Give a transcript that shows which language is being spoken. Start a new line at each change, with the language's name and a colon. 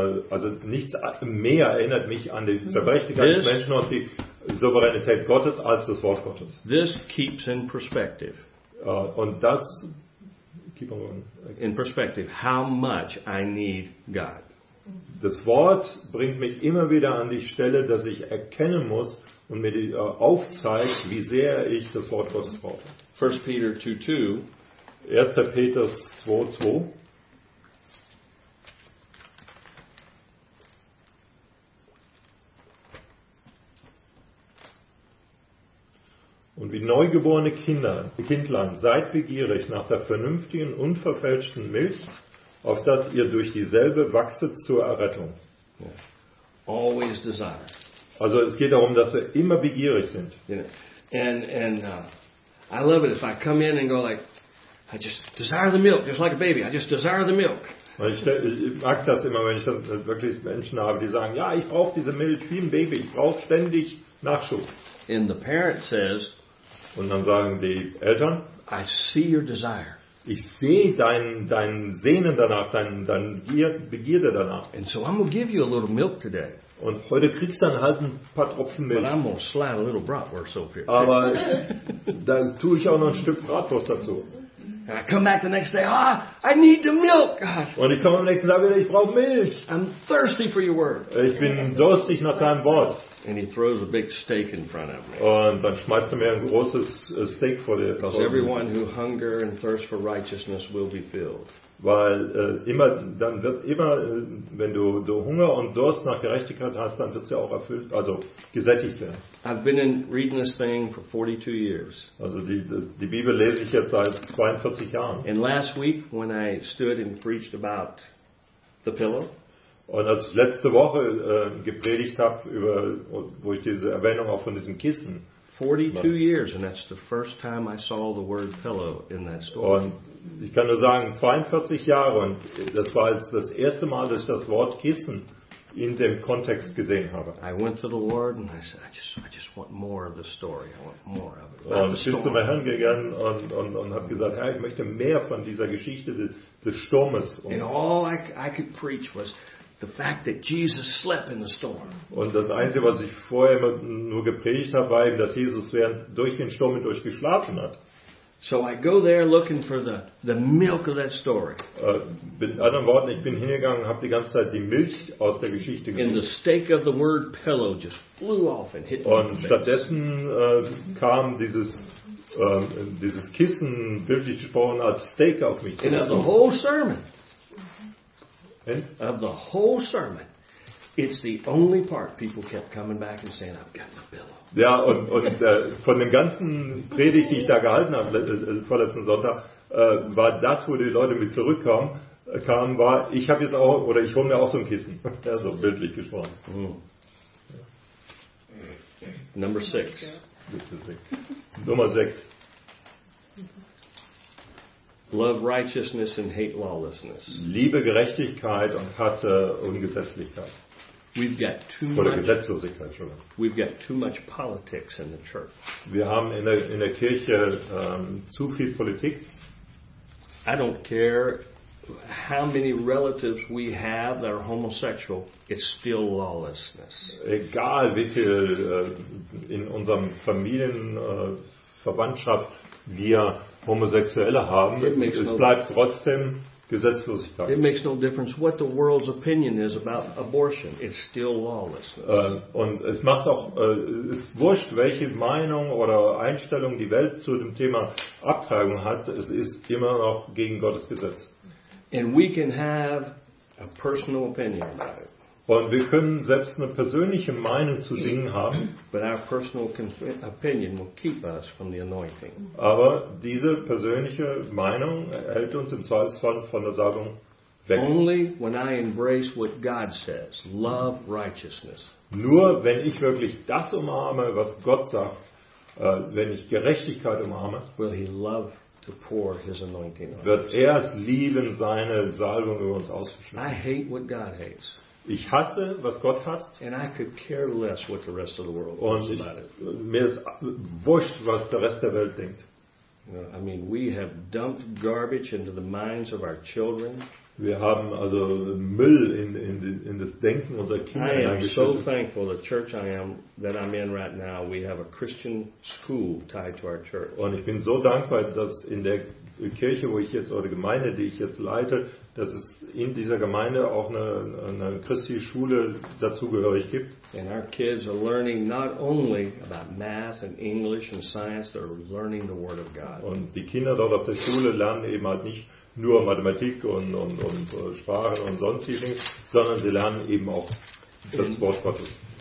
German: Also nichts mehr erinnert mich an die Zerbrechlichkeit des Menschen und die Souveränität Gottes als das Wort Gottes.
English: This keeps in perspective.
German: Und das,
English: keep on going. In perspective, how much I need God.
German: Das Wort bringt mich immer wieder an die Stelle, dass ich erkennen muss und mir aufzeigt, wie sehr ich das Wort Gottes brauche.
English: 1 Peter 2:2.
German: 1. Petrus 2:2. Und wie neugeborene Kinder, Kindlein, seid begierig nach der vernünftigen, unverfälschten Milch, auf das ihr durch dieselbe wachset zur Errettung.
English: Always desire.
German: Also es geht darum, dass wir immer begierig sind.
English: I love it if I come in and go like, I just desire the milk, just like a baby. I just desire the milk.
German: Und ich mag das immer, wenn ich dann wirklich Menschen habe, die sagen, ja, ich brauche diese Milch wie ein Baby. Ich brauche ständig Nachschub.
English: And the parent says,
German: und dann sagen die Eltern,
English: I see your desire.
German: Ich sehe dein Sehnen danach, dein Begierde danach.
English: And so I'm gonna give you a little milk today.
German: Und heute kriegst du dann halt ein paar Tropfen Milch.
English: But I'm gonna slide a little bratwurst over here.
German: Aber dann tue ich auch noch ein Stück Bratwurst dazu.
English: And I come back the next day, ah, I need the milk, God.
German: Und ich komme am nächsten Tag wieder, ich brauche Milch.
English: I'm thirsty for your word.
German: Ich bin durstig nach deinem Wort.
English: And he throws a big steak in front of me.
German: Und dann schmeißt er mir ein großes Steak vor dir.
English: Because everyone who hunger and thirst for righteousness will be filled.
German: Weil immer, dann wird immer, wenn du Hunger und Durst nach Gerechtigkeit hast, dann wird es ja auch erfüllt, also gesättigt werden.
English: I've been in reading this thing for 42 years.
German: Also die Bibel lese ich jetzt seit 42 Jahren.
English: And last week, when I stood and preached about the pillow.
German: Und als ich letzte Woche gepredigt habe, über, wo ich diese Erwähnung auch von diesen Kissen.
English: 42 years, and that's the first time I saw the word pillow in that story.
German: Und ich kann nur sagen, 42 Jahre, und das war jetzt das erste Mal, dass ich das Wort Kissen in dem Kontext gesehen habe.
English: I went to the Lord and I said, I just want more of the story. I want more of it.
German: Und ich bin zu meinem Herrn gegangen und habe gesagt, Herr, ich möchte mehr von dieser Geschichte des Sturmes.
English: And all I could preach was the fact that Jesus slept in the storm.
German: Und das Einzige, was ich vorher nur gepredigt habe, war eben, dass Jesus während durch den Sturm hindurch geschlafen hat.
English: So I go there looking for the milk of that story.
German: Mit anderen Worten, ich bin hingegangen und habe die ganze Zeit die Milch aus der Geschichte gesucht.
English: And the steak of the word pillow just flew off and hit me.
German: Und stattdessen kam dieses Kissen, bildlich gesprochen, als Steak auf mich zu.
English: And of the whole sermon. Of the whole sermon, it's the only part people kept coming back and saying, "I've got my pillow."
German: Ja, und von dem ganzen Predigt, die ich da gehalten habe vorletzten Sonntag, war das, wo die Leute mit zurückkamen, war, ich habe jetzt auch oder ich hole mir auch so ein Kissen. Also bildlich gesprochen. Mm.
English: Number six.
German: Nummer sechs.
English: Love righteousness and hate lawlessness.
German: Liebe Gerechtigkeit und hasse Ungesetzlichkeit.
English: We've got too
German: oder Gesetzlosigkeit, Entschuldigung.
English: We've got too much politics in the church.
German: Wir haben in der Kirche zu viel Politik.
English: I don't care how many relatives we have that are homosexual, it's still lawlessness.
German: Egal wie viel in unserem Familienverwandtschaft wir Homosexuelle haben, es bleibt trotzdem Gesetzlosigkeit.
English: It makes no difference what the world's opinion is about abortion. It's still lawlessness.
German: Und es macht auch, es ist wurscht, welche Meinung oder Einstellung die Welt zu dem Thema Abtreibung hat. Es ist immer noch gegen Gottes Gesetz.
English: And we can have a personal opinion about it.
German: Und wir können selbst eine persönliche Meinung zu Dingen haben.
English: But our personal opinion will keep us from the anointing.
German: Aber diese persönliche Meinung hält uns im Zweifelsfall von der Salbung weg.
English: Only when I embrace what God says, love righteousness.
German: Nur wenn ich wirklich das umarme, was Gott sagt, wenn ich Gerechtigkeit umarme,
English: will he love to pour his anointing on.
German: Wird er es lieben, seine Salbung über uns auszuschütten.
English: I hate what God hates.
German: Ich hasse, was Gott hasst.
English: And I could care less what the rest of the world thinks about it.
German: Mir ist wurscht, was der Rest der Welt denkt.
English: I mean, we have dumped garbage into the minds of our children.
German: Wir haben also Müll in das Denken unserer Kinder hineingeschüttet.
English: I am so thankful the church I'm in right now, we have a Christian school tied to our church.
German: Und ich bin so dankbar, dass in der Kirche, wo ich jetzt oder Gemeinde, die ich jetzt leite, dass es in dieser Gemeinde auch eine christliche Schule dazugehörig gibt.
English: And our kids are learning not only about math and English and science, they're learning the word of God.
German: Und die Kinder dort auf der Schule lernen eben halt nicht nur Mathematik und Sprache und sonstige Dinge, sondern sie lernen eben auch das Wort Gottes.